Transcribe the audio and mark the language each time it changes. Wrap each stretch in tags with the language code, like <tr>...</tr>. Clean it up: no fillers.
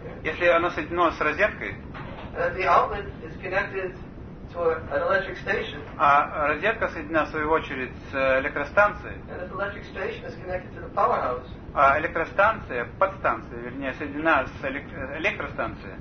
<ru>Если оно соединено с розеткой,</ru> <en>the outlet is connected to an electric station.</en> <ru>А розетка соединена в свою очередь с электростанцией.</ru> <en>And the electric station is connected to the powerhouse.</en> <ru>А электростанция, подстанция, вернее, соединена с электростанцией.</ru>